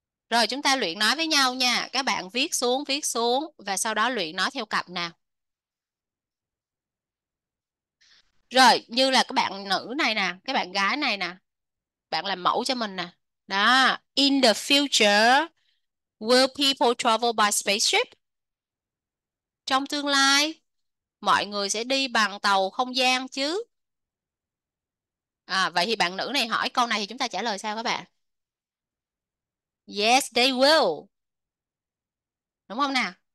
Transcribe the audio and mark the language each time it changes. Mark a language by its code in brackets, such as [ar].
[vi] Rồi chúng ta luyện nói với nhau nha. Các bạn viết xuống và sau đó luyện nói theo cặp nào. Rồi, như là các bạn nữ này nè, các bạn gái này nè. Bạn làm mẫu cho mình nè. [en] Đó, in the future, will people travel by spaceship? [vi] Trong tương lai, mọi người sẽ đi bằng tàu không gian chứ? À, vậy thì bạn nữ này hỏi câu này thì chúng ta trả lời sao các bạn? [en] Yes, they will. [vi] Đúng không nào?